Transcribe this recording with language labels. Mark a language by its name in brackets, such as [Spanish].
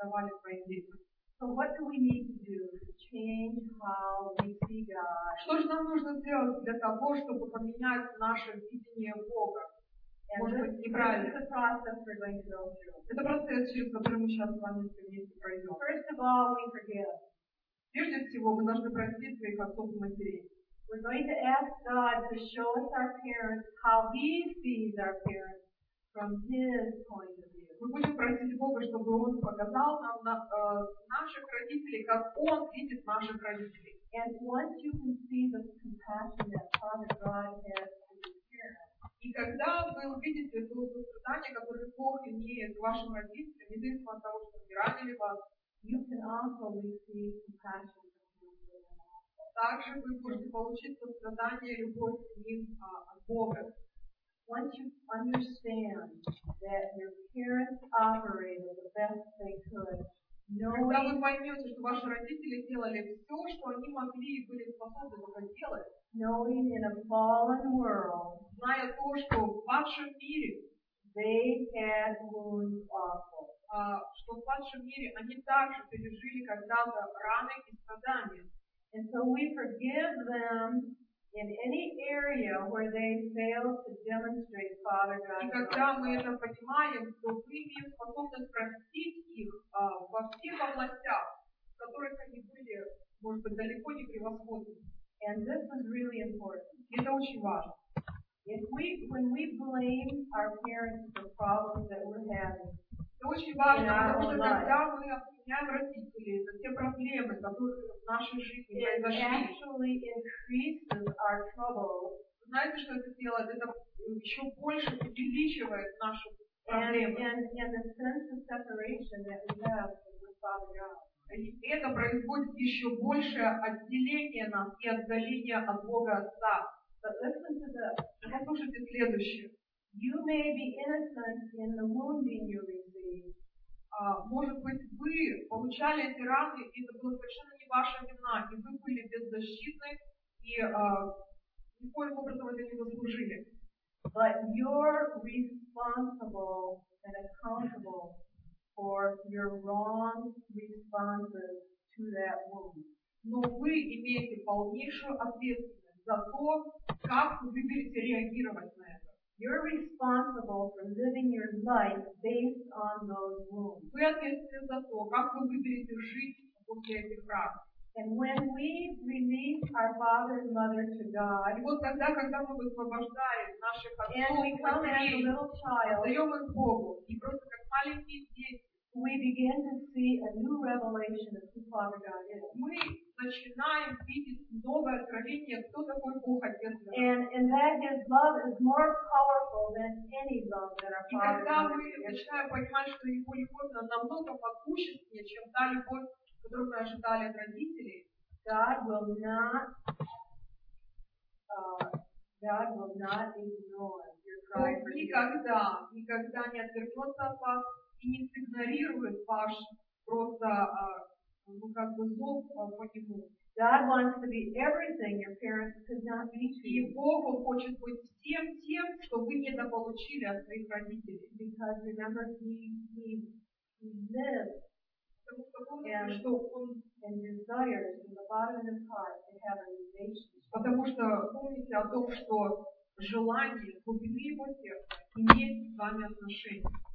[English] So what do we need to do to change how we see God? [Russian] Что же нам нужно сделать для того, чтобы поменять наше видение Бога? Это процесс, через который мы сейчас с вами вместе пройдем. [English] First of all, we forgive. [Russian] Прежде всего, мы должны простить своих отцов и матерей. [English] We're going to ask God to show us our parents, how he sees our parents from his point of view. [Russian] Мы будем просить Бога, чтобы он показал нам на, наших родителей, как он видит наших родителей. [English] And once you can see the compassion that Father God has to his parents. [Russian] И когда вы увидите то сострадание, которое Бог имеет к вашим родителям, независимо от того, что они ранили вас, [English] you can also receive compassion from him. [Russian] Также вы можете получить сострадание и любовь к ним от Бога. [English] Once you understand that your parents operated the best they could, [Russian] когда вы поймете, что ваши родители делали все, что они могли и были способны это делать, [English] knowing in a fallen world, [Russian] зная то, что в вашем мире [English] they had wounds awful. [Russian] Что в вашем мире они также пережили когда-то раны и страдания. [English] And so we forgive them in any area where they fail to demonstrate Father God. [Russian] И когда мы это понимаем, то мы имеем способность простить их во всех областях, в которых они были, может быть, далеко не превосходны. [English] And this is really important. [Russian] И это очень важно. [English] If we, when we blame our parents for problems that we're having, [Russian] это очень важно, потому что когда мы обвиняем родителей за те проблемы, которые в нашей жизни произошли, знаете, что это делает? Это еще больше увеличивает наши проблемы. И это производит еще большее отделение нас и отдаление от Бога Отца. Послушайте следующее. [English] You may be innocent in the wounding you received. [Russian] Может быть, вы получали эти раны, и это было совершенно не ваша вина, и вы были беззащитны, и никоим образом это не заслужили. [English] But you're responsible and accountable for your wrong responses to that wound. [Russian] Но вы имеете полнейшую ответственность за то, как вы будете реагировать на это. [English] You're responsible for living your life based on those wounds. [Russian] Вы ответственны за то, как вы выберете жить после этих ран. [English] And when we release our father and mother to God, [Russian] и вот тогда, когда мы высвобождаем наших отцов, [English] and we come as a little child, [Russian] даем их Богу, и просто как маленькие дети, [English] we begin to see a new revelation of who Father God is. [Russian] Мы начинаем видеть новое откровение, кто такой Бог Отец. [English] And that His love is more powerful than any love that our Father. [Russian] И когда мы начинаем понимать, что Его любовь намного могущественнее, чем та любовь, которую мы ожидали от родителей, [English] God will not ignore your cry. [Russian] Никогда не отвернется от вас и не проигнорирует ваш просто, ну, как бы зов по нему. [English] God wants to be everything your parents could not be to you. [Russian] И Бог хочет быть всем тем, что вы недополучили от своих родителей. [English] Because remember, he lives. [Russian] Потому что помните о том, что желание глубины его сердца имеет с вами отношение.